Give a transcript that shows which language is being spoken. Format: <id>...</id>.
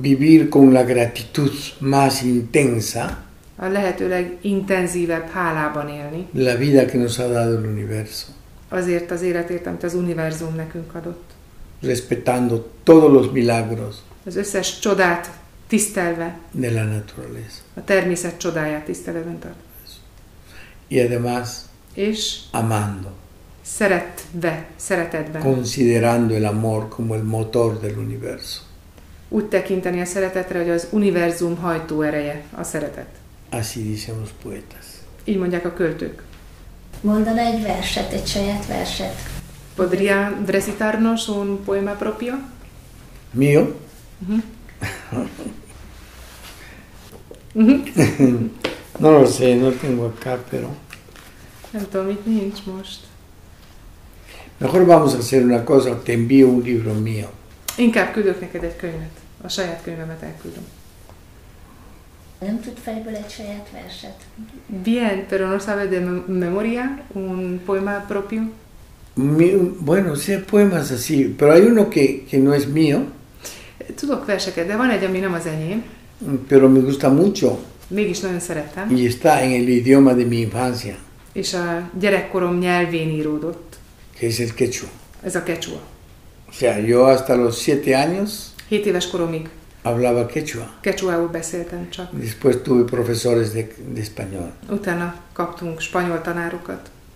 <es>Vivir con la gratitud más intensa.</es> <hu>A lehetőleg intenzívebb hálában élni.</hu> <es>La vida que nos ha dado el universo.</es> <hu>Azért az életért, amit az univerzum nekünk adott.</hu> <es>Respetando todos los milagros.</es> <hu>Az összes csodát tisztelve.</hu> <es>De la naturaleza.</es> <hu>A természet csodáját tisztelőben tart.</hu> <es>Y además,</es> <hu>és</hu> <es>amando.</es> <hu>Szeretve, szeretetben.</hu> <es>Considerando el amor como el motor del universo.</es> <hu>Úgy tekinteni a szeretetre, hogy az univerzum hajtó ereje a szeretet.</hu> <es>Así dicen los poetas.</es> <hu>Így mondják a költők. Mondaná egy verset, egy saját verset.</hu> <es>Podría recitarnos un poema propio? Mío? No lo sé, no tengo acá, pero...</es> <hu>Nem tudom, itt nincs most.</hu> <es>Mejor vamos a hacer una cosa, te envío un libro mío.</es> <hu>Inkább küldök neked egy könyvet. A saját könyvemet elküldöm. Nem tud fejből egy saját verset.</hu> <es>Bien, pero no sabe de memoria un poema propio? Bueno, sí, poemas así, pero hay uno que no es mío.</es> <hu>Tudok verseket, de van egy, ami nem az enyém.</hu> <es>Pero me gusta mucho.</es> <hu>Mégis nagyon szerettem.</hu> <es>Y está en el idioma de mi infancia.</es> <hu>És a gyerekkorom nyelvén íródott.</hu> <es>Que es el quechua.</es> <hu>Ez a quechua.</hu> <es>O sea, yo hasta los 7 años.</es> <hu>7 éves koromig.</hu> <es>Hablaba quechua.</es> <hu>Quechuaul beszéltem csak.</hu> <es>Después tuve profesores de español.</es> <hu>Utána kaptunk spanyol tanárokat.</hu>